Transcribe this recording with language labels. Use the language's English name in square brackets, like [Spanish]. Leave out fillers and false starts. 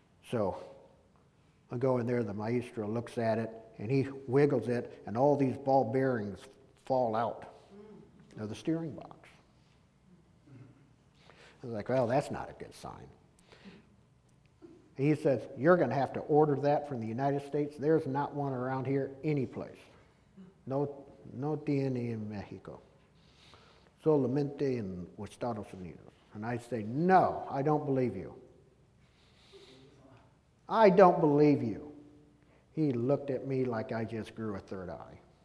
[English] So I go in there, the maestro looks at it, and he wiggles it, and all these ball bearings fall out of the steering box. I was like, well, that's not a good sign. And he says, you're going to have to order that from the United States. There's not one around here anyplace. [Spanish] No tiene en Mexico. Solamente en Estados Unidos. [English] And I say, no, I don't believe you. I don't believe you. He looked at me like I just grew a third eye.